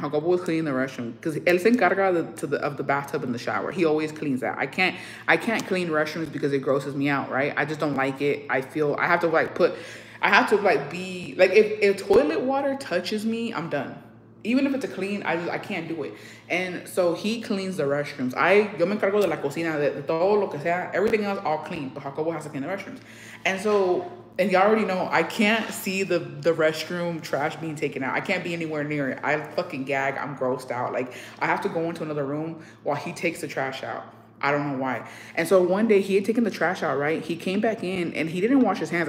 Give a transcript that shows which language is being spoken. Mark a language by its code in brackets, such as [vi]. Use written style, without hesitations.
[en] Jacobo was cleaning the restroom. Because [es] él se encarga [en] of the bathtub and the shower. He always cleans that. I can't clean restrooms because it grosses me out, right? I just don't like it. If toilet water touches me, I'm done. Even if it's a clean, I can't do it. And so he cleans the restrooms. [es] Yo me encargo de la cocina, de todo lo que sea. [en] Everything else, all clean. But Jacobo has to clean the restrooms. And so... And y'all already know, I can't see the restroom trash being taken out. I can't be anywhere near it. I fucking gag. I'm grossed out. Like, I have to go into another room while he takes the trash out. I don't know why. And so one day, he had taken the trash out, right? He came back in, and he didn't wash his hands.